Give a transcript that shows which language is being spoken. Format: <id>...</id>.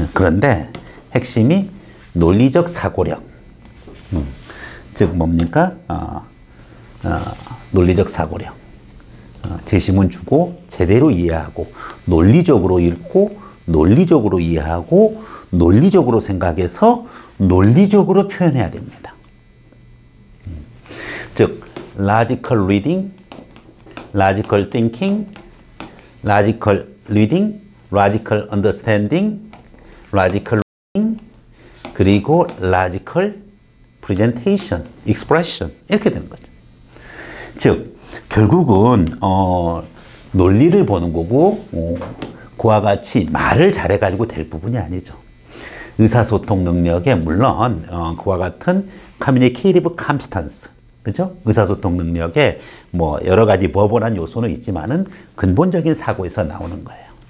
<ko>그런데 핵심이 논리적 사고력. 즉, 뭡니까? 논리적 사고력. 제시문 주고 제대로 이해하고, 논리적으로 읽고, 논리적으로 이해하고, 논리적으로 생각해서 논리적으로 표현해야 됩니다.</ko> <en>즉, logical reading, logical thinking, logical reading, logical understanding, logical reading, 그리고 logical presentation, expression.</en> <ko>이렇게 되는 거죠. 즉, 결국은, 논리를 보는 거고, 그와 같이 말을 잘해가지고 될 부분이 아니죠. 의사소통 능력에, 물론, 그와 같은 communicative competence. 그죠? 의사소통 능력에 뭐 여러 가지 버벌한 요소는 있지만은 근본적인 사고에서 나오는 거예요.</ko>